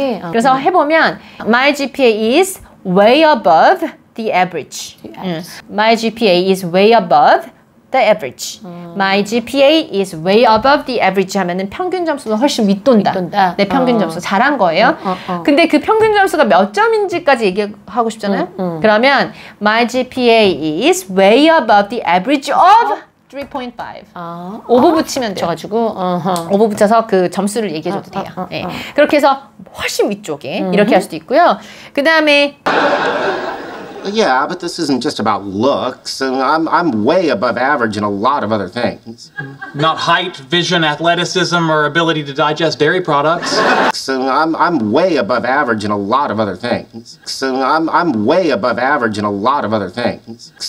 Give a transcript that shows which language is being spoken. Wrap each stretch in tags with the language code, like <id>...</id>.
<ko>그래서 해 보면</ko> <en>my GPA is way above the average. My GPA is way above the average. My GPA is way above the average</en> <ko>하면은 평균 점수가 훨씬 윗돈다. 내 평균 점수 잘한 거예요. 근데 그 평균 점수가 몇 점인지까지 얘기하고 싶잖아요. 그러면</ko> <en>my GPA is way above the average of 3.5.</en> <ko>오버 붙이면 돼. 가지고 오버 붙여서 그 점수를 얘기해 줘도 돼요. 그렇게 해서 훨씬 위쪽에 이렇게 할 수도 있고요. 그다음에</ko> <en>Yeah, but this isn't just about looks. I'm way above average in a lot of other things. Not height, vision, athleticism, or ability to digest dairy products. I'm way above average in a lot of other things. I'm way above average in a lot of other things.</en>